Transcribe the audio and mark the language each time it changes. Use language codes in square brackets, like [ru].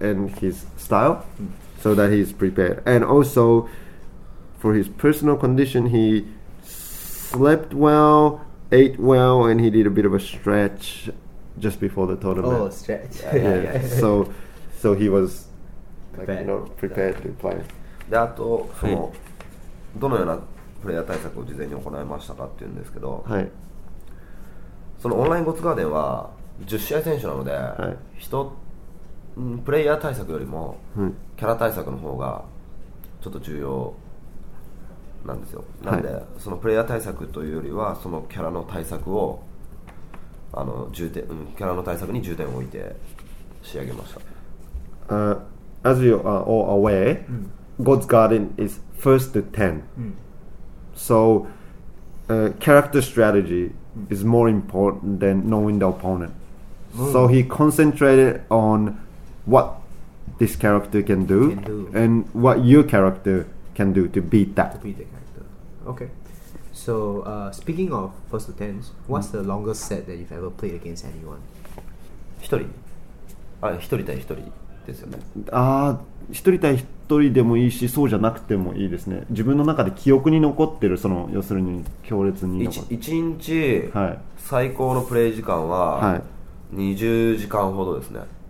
[en] and his style、mm. so that he's prepared and also for his personal condition heslept well, ate well, and he did a bit of a stretch just before the tournament. Oh, stretch. Yeah. So he was like, you know, prepared to play. [ja] で、あと、その、どのようなプレイヤー対策を事前に行いましたかっていうんですけど、はい。そのオンラインゴッツガーデンは10試合選手なので、はい。人、プレイヤー対策よりも、はい。キャラ対策の方がちょっと重要。なんですよ。なんで、はい、そのプレイヤー対策というよりはそのキャラの対策を重点、キャラの対策に重点を置いて仕上げました。 [en] As you are all aware,、うん、 God's Garden is first to 10.、うん、 so, character strategy is more important than knowing the opponent.、うん、so he concentrated on what this character can do, and what your character can do to beat that. To beat the character. Okay. So, speaking of first to tens, what's、mm. the longest set that you've ever played against anyone? [ja] 一人。あ、一人対一人ですよね。ああ、一人対一人でもいいし、そうじゃなくてもいいですね。自分の中で記憶に残ってる、その要するに強烈に残ってる。一日最高のプレイ時間は20時間ほどですね。